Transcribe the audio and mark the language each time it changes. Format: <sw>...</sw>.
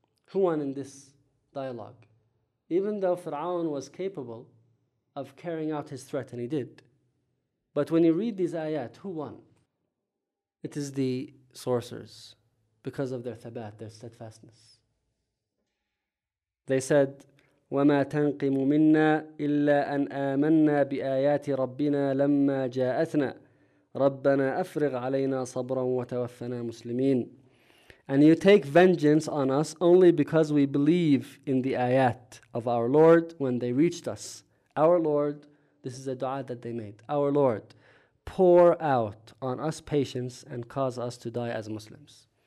<en>Who won in this dialogue? Even though Fir'aun was capable of carrying out his threat, and he did, but when you read these ayat, who won? It is the sorcerers, because of their thabat, their steadfastness. They said,</en> <ar>وَمَا تَنْقِمُ مِنَّا إِلَّا أَنْ آمَنَّا بِآيَاتِ رَبِّنَا لَمَّا جَاءَتْنَا رَبَّنَا أَفْرِغْ عَلَيْنَا صَبْرًا وَتَوَفَّنَا مُسْلِمِينَ.</ar> <en>And you take vengeance on us only because we believe in the ayat of our Lord when they reached us. Our Lord, this is a dua that they made. Our Lord, pour out on us patience and cause us to die as Muslims.</en>